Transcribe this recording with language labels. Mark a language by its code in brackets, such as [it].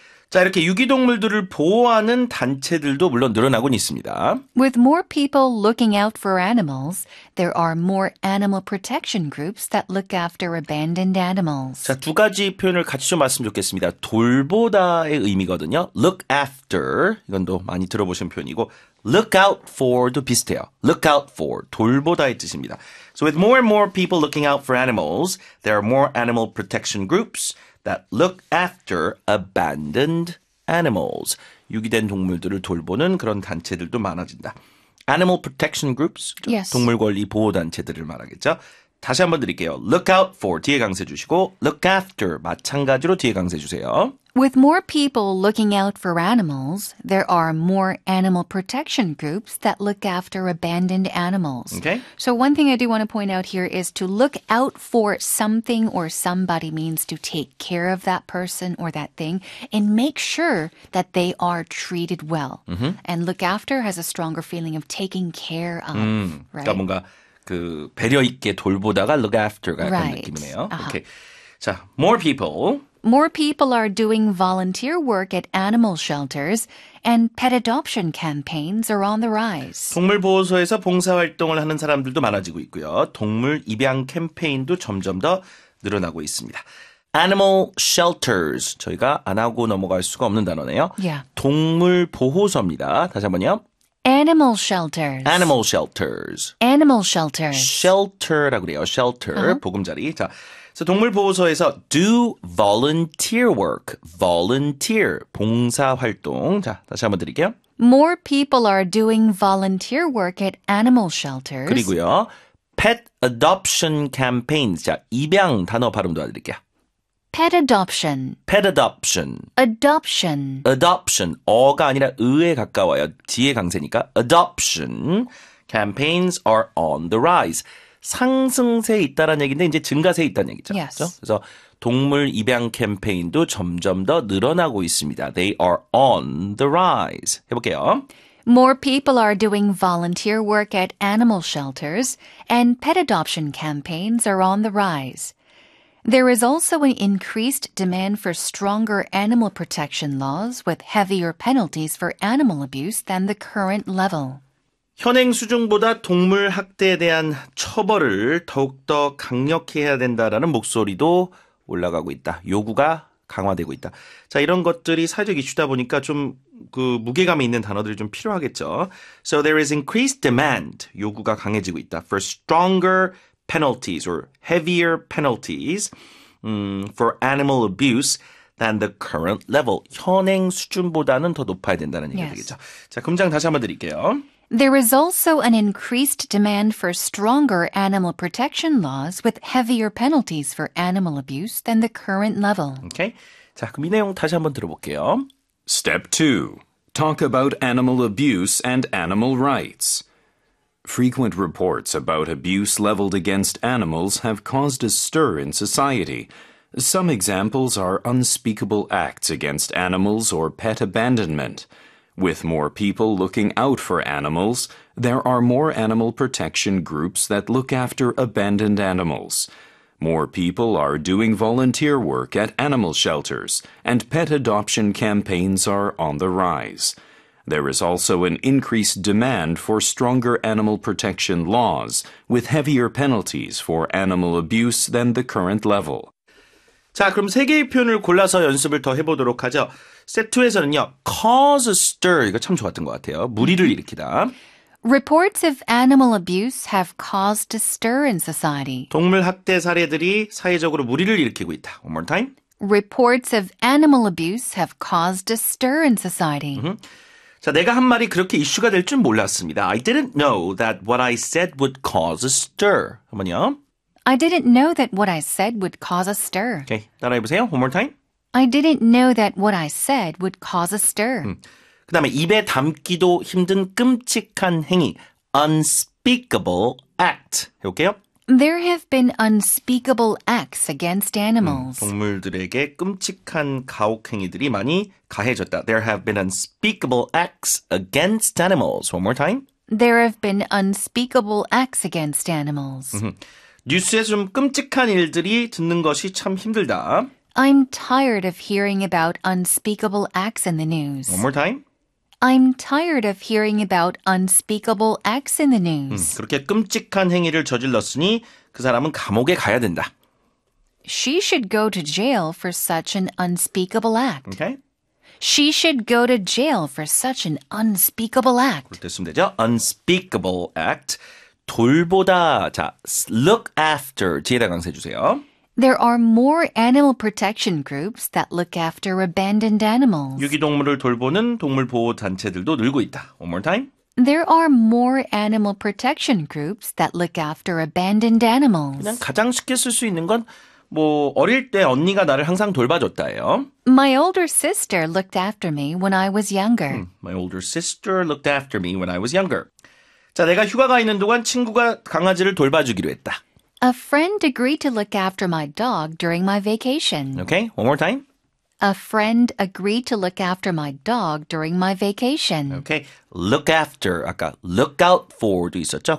[ko] 자, 이렇게 유기동물들을 보호하는 단체들도 물론 늘어나고는 있습니다. [en] With more people looking out for animals, there are more animal protection groups that look after abandoned animals. [ko] 자, 두 가지 표현을 같이 좀 말씀해 주겠습니다. 돌보다의 의미거든요. [en] Look after, [ko] 이건도 많이 들어보신 표현이고, [en] look out for [ko] 도 비슷해요. [en] Look out for, [ko] 돌보다의 뜻입니다. [en] So with more and more people looking out for animals, there are more animal protection groups that look after abandoned animals. [ko] 유기된 동물들을 돌보는 그런 단체들도 많아진다. [en] Animal protection groups, yes. [ko] 동물 권리 보호 단체들을 말하겠죠. 다시 한번 드릴게요. [en] Look out for [ko] 뒤에 강세 주시고 [en] look after [ko] 마찬가지로 뒤에 강세 주세요. [en] With more people looking out for animals, there are more animal protection groups that look after abandoned animals. Okay. So one thing I do want to point out here is to look out for something or somebody means to take care of that person or that thing and make sure that they are treated well. Mm-hmm. And look after has a stronger feeling of taking care of, right? [ko] 그러니까 뭔가 그 배려 있게 돌보다가 [en] look after [ko] 가 [en] right. [ko] 약간 느낌이네요. Uh-huh. [en] Okay. [ko] 자, [en] more people. More people are doing volunteer work at animal shelters, and pet adoption campaigns are on the rise. [ko] 동물 보호소에서 봉사 활동을 하는 사람들도 많아지고 있고요. 동물 입양 캠페인도 점점 더 늘어나고 있습니다. [en] Animal shelters. [ko] 저희가 안 하고 넘어갈 수가 없는 단어네요. [en] Yeah. [ko] 동물 보호소입니다. 다시 한번요. [en] Animal shelters. Animal shelters. Animal shelters. [ko] Shelter라고 그래요. Shelter. Uh-huh. 보금자리. 자. 그래서 동물보호소에서 [en] do volunteer work, volunteer, [ko] 봉사활동. 자, 다시 한번 드릴게요. [en] More people are doing volunteer work at animal shelters. [ko] 그리고요, [en] pet adoption campaigns. [ko] 자, 입양 단어 발음도 알려드릴게요. [en] Pet adoption. Pet adoption. Adoption. Adoption. [ko] 어가 아니라 의에 가까워요. 뒤에 강세니까. [en] Adoption campaigns are on the rise. [ko] 상승세에 있다라는 얘기인데 이제 증가세에 있다는 얘기죠. [en] Yes. [ko] 그래서 동물 입양 캠페인도 점점 더 늘어나고 있습니다. [en] They are on the rise. [ko] 해볼게요. [en] More people are doing volunteer work at animal shelters and pet adoption campaigns are on the rise. There is also an increased demand for stronger animal protection laws with heavier penalties for animal abuse than the current level. [ko] 현행 수준보다 동물 학대에 대한 처벌을 더욱더 강력히 해야 된다라는 목소리도 올라가고 있다. 요구가 강화되고 있다. 자, 이런 것들이 사회적 이슈다 보니까 좀 그 무게감이 있는 단어들이 좀 필요하겠죠. [en] So there is increased demand. [ko] 요구가 강해지고 있다. [en] For stronger penalties or heavier penalties for animal abuse than the current level. [ko] 현행 수준보다는 더 높아야 된다는 얘기 되겠죠. 자, 금장 다시 한번 드릴게요. [en] There is also an increased demand for stronger animal protection laws with heavier penalties for animal abuse than the current level. Okay. [ko] 자, 그럼 이 내용 다시 한번 들어볼게요. [en] Step 2. Talk about animal abuse and animal rights. Frequent reports about abuse leveled against animals have caused a stir in society. Some examples are unspeakable acts against animals or pet abandonment. With more people looking out for animals, there are more animal protection groups that look after abandoned animals. More people are doing volunteer work at animal shelters, and pet adoption campaigns are on the rise. There is also an increased demand for stronger animal protection laws, with heavier penalties for animal abuse than the current level. [ko] 자, 그럼 세 개의 표현을 골라서 연습을 더 해보도록 하죠. 세트 2에서는요, [en] cause a stir, [ko] 이거 참 좋았던 것 같아요. 물의를 일으키다. [en] Reports of animal abuse have caused a stir in society. [ko] 동물 학대 사례들이 사회적으로 물의를 일으키고 있다. [en] One more time. Reports of animal abuse have caused a stir in society. [ko] 자, 내가 한 말이 그렇게 이슈가 될 줄 몰랐습니다. [en] I didn't know that what I said would cause a stir. [ko] 한번요. [en] I didn't know that what I said would cause a stir. Okay, [ko] 따라해보세요. [en] One more time. I didn't know that what I said would cause a stir. [ko] 그 다음에 입에 담기도 힘든 끔찍한 행위. [en] Unspeakable act. [ko] 해볼게요. [en] There have been unspeakable acts against animals. [ko] 동물들에게 끔찍한 가혹 행위들이 많이 가해졌다. [en] There have been unspeakable acts against animals. One more time. There have been unspeakable acts against animals. [ko] 뉴스에 좀 끔찍한 일들이 듣는 것이 참 힘들다. [en] I'm tired of hearing about unspeakable acts in the news. One more time. I'm tired of hearing about unspeakable acts in the news. [ko] 그렇게 끔찍한 행위를 저질렀으니 그 사람은 감옥에 가야 된다. [en] She should go to jail for such an unspeakable act. Okay. She should go to jail for such an unspeakable act. [ko] 됐으면 되죠. [en] Unspeakable act. [ko] 돌보다, 자, [en] look after [ko] 뒤에다 강세해 주세요. [en] There are more animal protection groups that look after abandoned animals. [ko] 유기동물을 돌보는 동물보호단체들도 늘고 있다. [en] One more time. There are more animal protection groups that look after abandoned animals. [ko] 그냥 가장 쉽게 쓸 수 있는 건 뭐 어릴 때 언니가 나를 항상 돌봐줬다예요. [en] My older sister looked after me when I was younger. My older sister looked after me when I was younger. [ko] 자, 내가 휴가 가 있는 동안 친구가 강아지를 돌봐주기로 했다. [en] A friend agreed to look after my dog during my vacation. Okay, one more time. A friend agreed to look after my dog during my vacation. Okay, look after. [ko] 아까 [en] look out for도 있었죠?